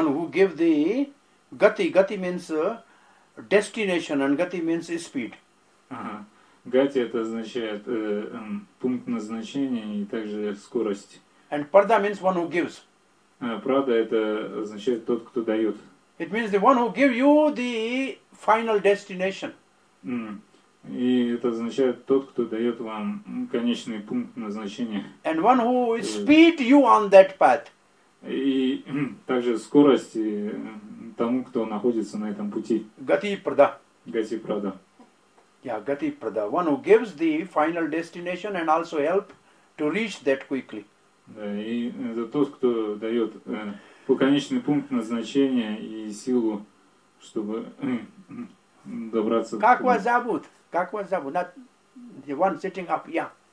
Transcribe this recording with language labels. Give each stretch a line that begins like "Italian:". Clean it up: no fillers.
English: One who give the Гати. Гати means destination and Гати means speed.
Russian: Гати это означает пункт назначения и также скорость.
English: And Прада means one who gives.
Russian: Прада это означает тот, кто дает.
English: It means the one who give you the final destination.
Russian: И это означает тот, кто дает вам конечный пункт назначения.
English: And one who speed you on that path.
Russian: И также скорость тому, кто находится на этом пути.
Sanskrit: Гати Прада. Гати Прада.
English: Yeah, Гати Прада. One who gives the final destination and also help to reach that quickly.
Russian: Да, и это тот, кто дает конечный пункт назначения и силу, чтобы добраться. Как вас зовут? Как вас зовут?
English: Not the one sitting up, yeah.